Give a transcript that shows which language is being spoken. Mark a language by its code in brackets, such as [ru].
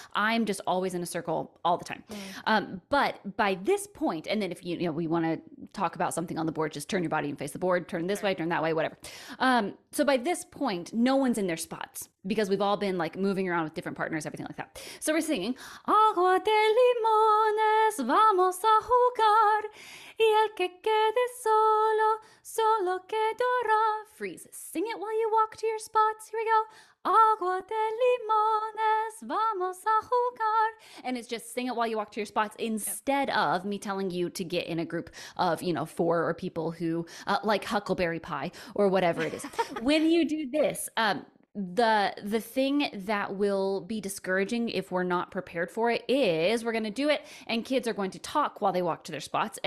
[en] I'm just always in a circle all the time. But by this point, and then if we want to talk about something on the board, just turn your body and face the board, turn this way, turn that way, whatever. So by this point, no one's in their spots because we've all been like moving around with different partners, everything like that. So we're singing, [es] Agua de limones, vamos a jugar. Y el que quede solo, solo quedará. [en] Freeze. Sing it while you walk to your spots. Here we go. [es] Agua de limones, vamos a jugar. [en] And it's just sing it while you walk to your spots instead of me telling you to get in a group of, four or people who like Huckleberry Pie or whatever it is. When you do this, the thing that will be discouraging if we're not prepared for it is we're going to do it and kids are going to talk while they walk to their spots.